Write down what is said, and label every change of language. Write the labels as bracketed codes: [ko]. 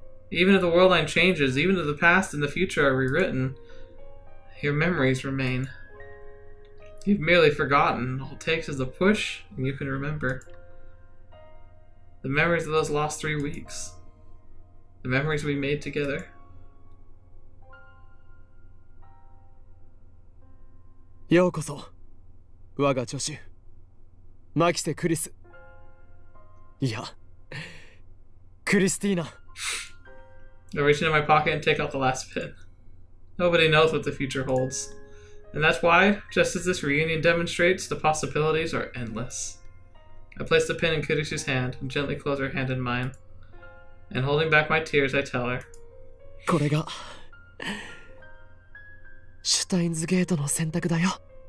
[en] Even if the world line changes, even if the past and the future are rewritten, your memories remain. You've merely forgotten. All it takes is a push, and you can remember. The memories of those last 3 weeks. The memories we made together. [ja] ようこそ我が助手マキセクリスいやクリスティーナ [en] I reach into my pocket and take out the last pin. Nobody knows what the future holds. And that's why, just as this reunion demonstrates, the possibilities are endless. I place the pin in Kirishu's hand and gently close her hand in mine. And holding back my tears, I tell her, [ja] これが、シュタインズゲートの選択だよ。